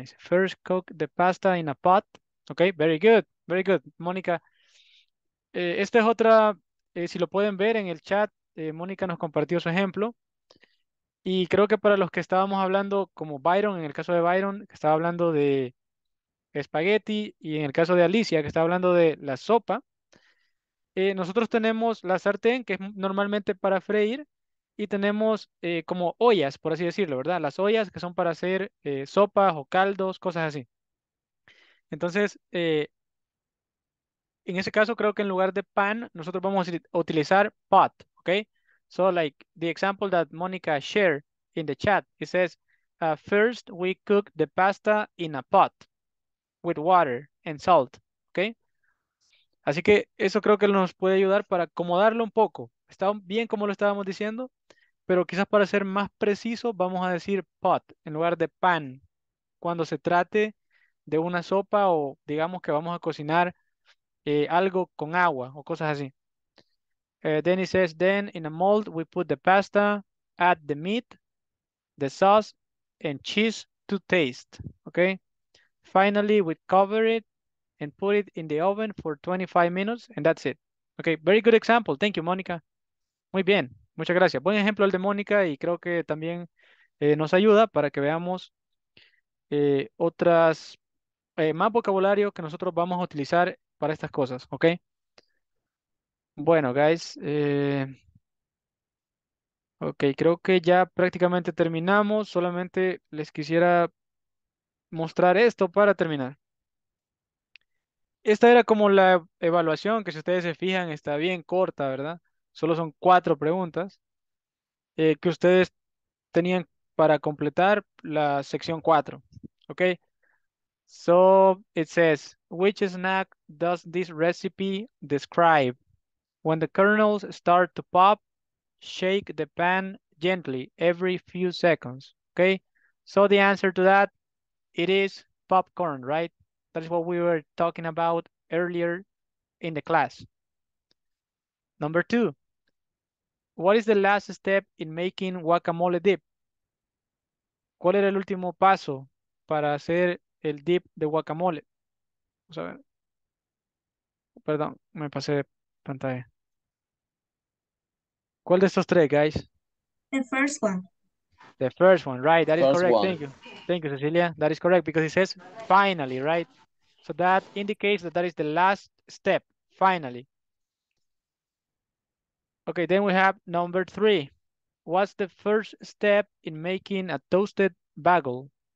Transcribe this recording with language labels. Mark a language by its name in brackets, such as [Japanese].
[English] Dice, first cook the pasta in a pot. Ok, very good. Very good, Mónica. [Spanish] Esta es otra, si lo pueden ver en el chat, Mónica nos compartió su ejemplo. Y creo que para los que estábamos hablando, como Byron, en el caso de Byron, que estaba hablando de espagueti, y en el caso de Alicia, que estaba hablando de la sopa, nosotros tenemos la sartén, que es normalmente para freír, y tenemos como ollas, por así decirlo, ¿verdad? Las ollas que son para hacer sopas o caldos, cosas así. Entonces, en ese caso creo que en lugar de pan, nosotros vamos a utilizar pot, ¿ok? [English] So, like, the example that Monica shared in the chat, it says, first we cook the pasta in a pot with water and salt, ¿ok? [Spanish] Así que eso creo que nos puede ayudar para acomodarlo un poco. Está bien como lo estábamos diciendo, pero quizás para ser más preciso, vamos a decir pot en lugar de pan. Cuando se trate de una sopa o digamos que vamos a cocinar algo con agua o cosas así. [English] Then it says, then in a mold we put the pasta, add the meat, the sauce, and cheese to taste. Okay? Finally, we cover it and put it in the oven for 25 minutes, and that's it. Okay, very good example. Thank you, Mónica. [Spanish] Muy bien, muchas gracias. Buen ejemplo el de Mónica y creo que también nos ayuda para que veamos otras, más vocabulario que nosotros vamos a utilizar para estas cosas, ¿ok? Bueno, guys. Ok, creo que ya prácticamente terminamos. Solamente les quisiera mostrar esto para terminar. Esta era como la evaluación que si ustedes se fijan está bien corta, ¿verdad? Solo son 4 preguntas que ustedes tenían para completar la sección 4, ¿ok? [English] So, it says, which snack does this recipe describe? When the kernels start to pop, shake the pan gently every few seconds, ¿ok? So, the answer to that, it is popcorn, right? That is what we were talking about earlier in the class. Number 2. What is the last step in making guacamole dip? [Spanish] ¿Cuál era el último paso para hacer el dip de guacamole? Vamos a ver. Perdón, me pasé pantalla. ¿Cuál de estos 3, guys? [English] The first one. The first one, right? That first is correct. One. Thank you, Cecilia. That is correct because it says finally, right? So that indicates that that is the last step, finally. Okay, then we have number three. What's the first step in making a toasted bagel?